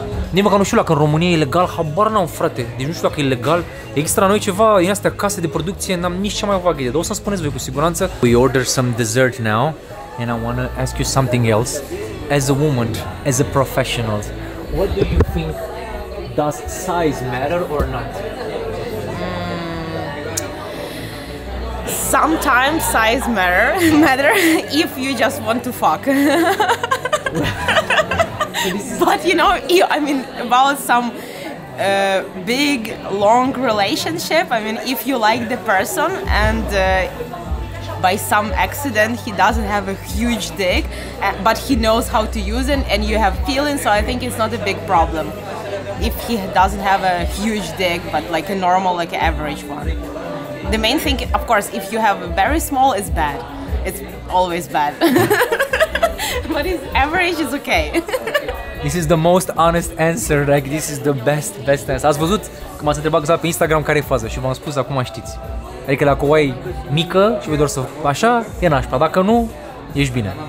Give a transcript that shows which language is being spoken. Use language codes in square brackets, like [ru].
[ro] Nici măcar nu știu dacă în România e legal, habar n-am, frate. Deci nu știu dacă e legal. Există la noi ceva din astea case de producție, n-am nici cea mai vagă idee. Dar o să-mi spuneți voi cu siguranță. [en] We order some dessert now and I want to ask you something else. As a woman, as a professional, what do you think, does size matter or not? Sometimes size matter if you just want to fuck. But you know, I mean, about some big, long relationship, I mean, if you like the person and by some accident he doesn't have a huge dick, but he knows how to use it and you have feeling, so I think it's not a big problem if he doesn't have a huge dick, but like a normal, like an average one. The main thing, of course, if you have a very small, it's bad. It's always bad. But his average is okay. This is the most honest answer, like this is the best answer. [ro] Ați văzut că m-ați întrebat exact pe Instagram care e faza și v-am spus, acum știți. Adică dacă o ai mică și vei doar să așa, e nașpa, dacă nu, ești bine.